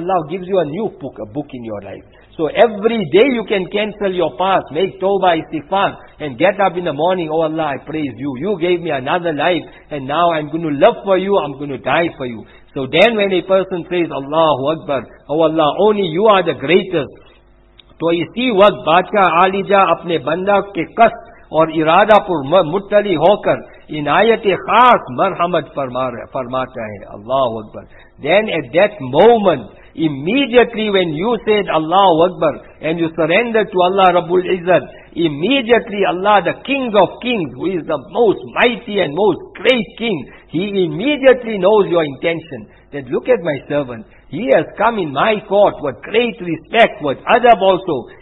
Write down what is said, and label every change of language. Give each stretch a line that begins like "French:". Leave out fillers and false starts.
English: Allah gives you a new book, a book in your life. So every day you can cancel your past, make tawbah istighfar, and get up in the morning, oh Allah, I praise you. You gave me another life and now I'm going to live for you, I'm going to die for you. So then when a person says, Allahu Akbar, oh Allah, only you are the greatest.
Urdu: تو اسی وقت بادشاہ عالیجہ اپنے بندہ کے قصد اور ارادہ پر مطلع ہو کر عنایت خاص مرحمت فرماتا ہے اللہ اکبر.
English: Then at that moment, immediately when you said Allah Akbar and you surrender to Allah Rabbul Izzat, immediately Allah, the King of Kings, who is the most mighty and most great King, He immediately knows your intention. That look at my servant. He has come in my court with great respect, with adab also.